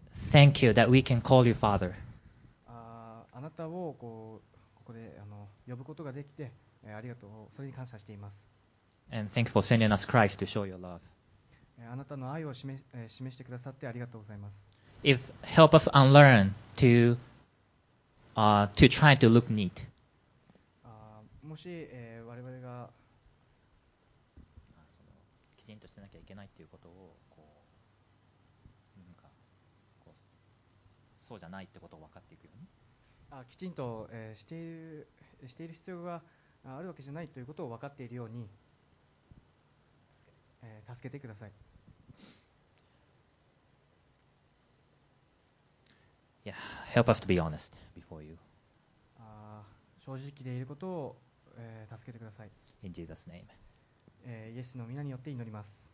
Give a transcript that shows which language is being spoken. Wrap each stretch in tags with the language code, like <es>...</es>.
<en>Thank you that we can call you Father.</en> <ja>あなたをこうここで呼ぶことができて。ありがとう。それに感謝しています。</ja> <en>And thank you for sending us Christ to show your love.</en> <ja>あなたの愛を示してくださってありがとうございます。</ja> <en>If help us unlearn to try to look neat.</en> <ja>もし、我々がそのきちんとしてなきゃいけないということをこうなんかこうそうじゃないってことを分かっていくように。きちんと、している必要があるわけじゃないということを分かっているように、助けてください。</ja> <en>Yeah, help us to be honest before you.</en> <ja>正直でいることを、助けてください。</ja> <en>In Jesus' name.</en> <ja>イエスの名によって祈ります。</ja>